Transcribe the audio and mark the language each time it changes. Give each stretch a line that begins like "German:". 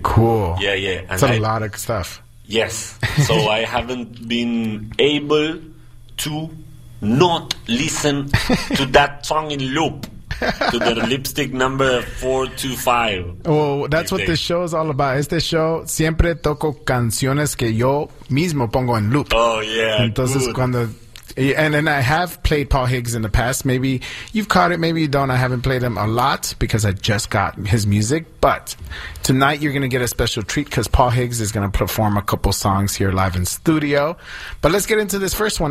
English: Cool. Yeah, yeah. And that's a lot of stuff. Yes. So I haven't been able to not listen to that song in loop. To the lipstick number 425. Well, that's what this show is all about.
Spanish: Este show, siempre toco canciones que yo mismo pongo en loop.
English: Oh, yeah.
Spanish: Entonces, cuando,
English: and I have played Paul Higgs in the past. Maybe you've caught it, maybe you don't. I haven't played him a lot because I just got his music. But tonight you're going to get a special treat because Paul Higgs is going to perform a couple songs here live in studio. But let's get into this first one.